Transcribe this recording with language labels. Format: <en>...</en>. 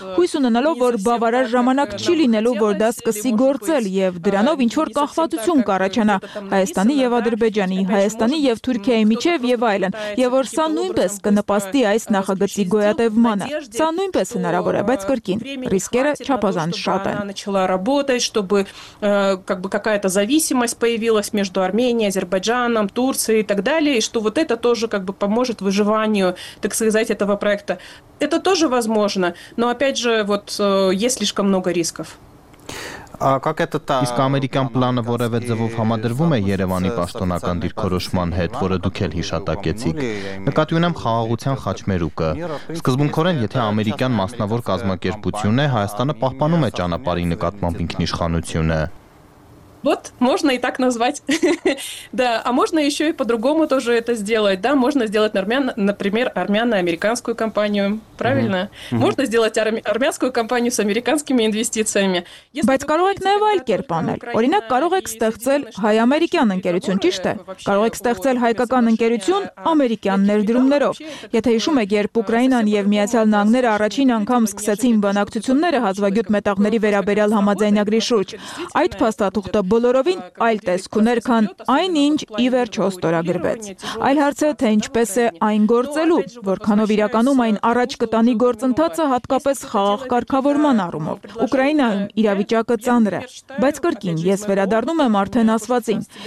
<hy>հույս ունենալով, որ բավարար ժամանակ չի լինելու, որ դա սկսի գործել եւ դրանով ինչ որ կախվածություն կառաջանա Հայաստանի եւ Ադրբեջանի, Հայաստանի եւ Թուրքիայի միջեւ եւ այլն, եւ որ սա նույնպես կնպաստի այս նախագծի գոյատևմանը։ Սա նույնպես հնարավոր է, բայց գրքին ռիսկերը չափազանց շատ են։</hy> <ru>Работать, чтобы как бы какая-то зависимость появилась между Арменией, Азербайджаном, Турцией и так далее, и что вот это тоже как бы поможет выживанию, так сказать, этого проекта. Это тоже возможно, но опять же, вот есть слишком много рисков.</ru> <hy>Իսկ ամերիկյան պլանը որևէ ձևով համադրվում է Երևանի պաշտոնական դիրքորոշման հետ, որը դուք էլ հիշատակեցիք։ Նկատի ունեմ խաղաղության խաչմերուկը։ Սկզբունքորեն, եթե ամերիկյան մասնավոր կազմակերպություն է, Հայաստանը պահպանում է ճանապարհի նկատմամբ ինքնիշխանությունը։</hy> <ru>Вот, можно и так назвать. Да, а можно еще и по-другому тоже это сделать. Да, можно сделать, например, армяно-американскую компанию. Правильно? Можно сделать армянскую компанию с американскими инвестициями.</ru> <hy>Բայց կարող եք նաև այլ կերպ անել. Օրինակ, կարող եք ստեղծել հայ-ամերիկյան ընկերություն, ճիշտ է? Կարող եք ստեղծել հայկական ընկերություն ամերիկյան ներդրումներով. Եթե հիշում եք, երբ Ուկրաինան եւ Միացյալ Նահանգները առաջին անգամ սկսեցին բանակցությունները հազվագյուտ մետաղների վերաբերյալ համաձայնագրի շուրջ, այդ փաստաթուղթը բոլորովին այլ տեսք ուներ, քան այն, ինչ ի վերջո ստորագրվեց։ Այլ հարցը, թե ինչպես է այն գործելու, որքանով իրականում այն առաջ կտանի գործընթացը հատկապես խաղաղ կարգավորման առումով։ Ուկրաինայում իրավիճակը ծանր է, բայց կրկին, ես վերադառնում եմ արդեն ասվածին։</hy>